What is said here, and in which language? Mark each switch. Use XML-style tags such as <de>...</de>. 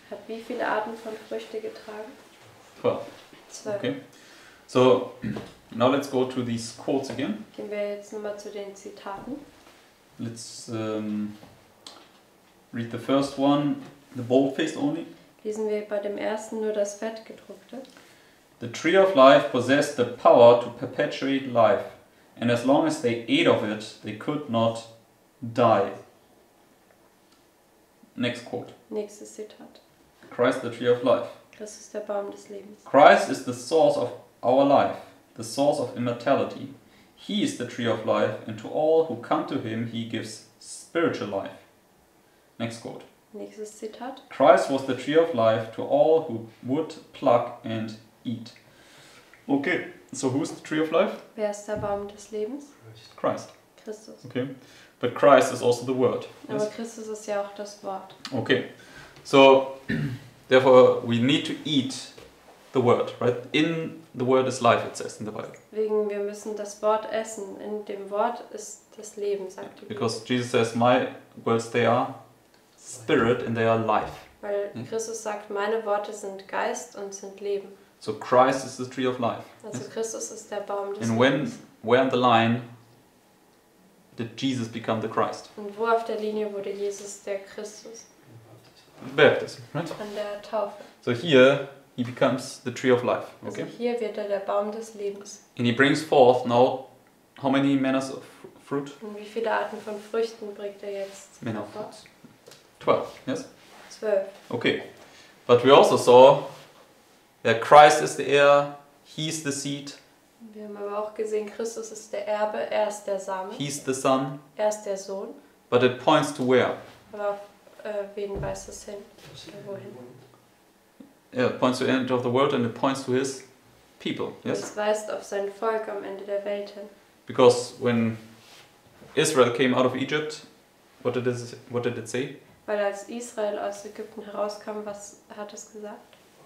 <de>hat wie viele Arten von Früchte getragen?</de> <en>12. Okay. So, now let's go to these quotes again.</en> <de>Gehen wir jetzt nochmal zu den Zitaten.</de> <en>Let's read the first one, the bold-faced only.</en> <de>Lesen wir bei dem ersten nur das Fettgedruckte.</de> <en>The tree of life possessed the power to perpetuate life, and as long as they ate of it, they could not die. Next quote.</en> <de>Nächstes Zitat.</de> <en>Christ, the tree of life.</en> <de>Christus ist der Baum des Lebens.</de> <en>Christ is the source of our life, the source of immortality. He is the tree of life, and to all who come to him, he gives spiritual life. Next quote.</en> <de>Nächstes Zitat.</de> <en>Christ was the tree of life to all who would pluck and eat. Okay, so who's the tree of life?</en> <de>Wer ist der Baum des Lebens?</de> <en>Christ.</en> <de>Christus.</de> <en>Okay, but Christ is also the word.</en> <de>Aber yes? Christus ist ja auch das Wort.</de> <en>Okay, so therefore we need to eat the word, right? In the word is life, it says in the Bible.</en> <de>Wegen wir müssen das Wort essen. In dem Wort ist das Leben, sagt die Bibel.</de> <en>Because Jesus says, my words, they are spirit and they are life.</en> <de>Weil Christus sagt, meine Worte sind Geist und sind Leben.</de> <en>So Christ is the tree of life.</en> <de>Also yes? Christus ist der Baum des Lebens.</de> <en>And when, where on the line did Jesus become the Christ?</en> <de>Und wo auf der Linie wurde Jesus der Christus?</de> <en>Baptism, right?</en> <de>An der Taufe.</de> <en>So here he becomes the tree of life. Okay.</en> <de>Also hier wird der Baum des Lebens.</de> <en>And he brings forth now how many manners of fruit?</en> <de>Und wie viele Arten von Früchten bringt jetzt?</de> <en>Manner of fruits. 12, yes? 12. Okay. But we also saw that Christ is the heir, he is the seed.</en> <de>Wir haben aber auch gesehen, Christus ist der Erbe, er ist der Same.</de> <en>He is the son.</en> <de>Er ist der Sohn.</de> <en>But it points to where?</en> <de>Aber auf wen weist es hin? Oder wohin?</de> <en>Yeah, it points to the end of the world and it points to his people. Yes?</en> <de>Es weist auf sein Volk am Ende der Welt hin.</de> <en>Because when Israel came out of Egypt, what did it say?</en> <de>Weil als Israel aus Ägypten herauskam, was hat es gesagt?</de>